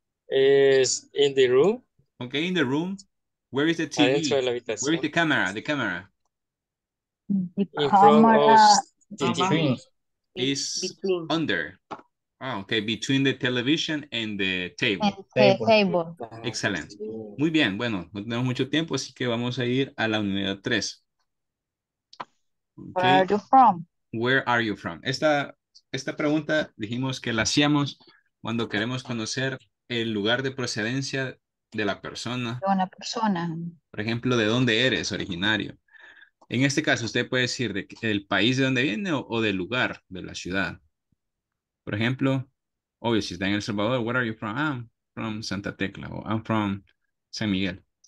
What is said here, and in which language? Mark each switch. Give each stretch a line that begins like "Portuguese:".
English: Is in the room. Okay, in the room. Where is the TV?
Spanish: Adentro de la habitación.
English: Where is the camera? The camera. In front of the TV. Is between. Under. Oh, okay, between the television and the table. Table. Excellent.
Spanish: Muy bien, bueno, no tenemos mucho tiempo, así que vamos a ir a la unidad 3.
English: Okay. Where are you from? Where are you from?
Spanish: Esta pregunta dijimos que la hacíamos cuando queremos conocer el lugar de procedencia de la persona. De una persona. Por ejemplo, ¿de dónde eres originario? En este caso, usted puede decir del país de donde viene o del lugar, de la ciudad. Por ejemplo, obvio, si está en El Salvador,
English: where are you from? I'm from Santa Tecla, or I'm from San Miguel.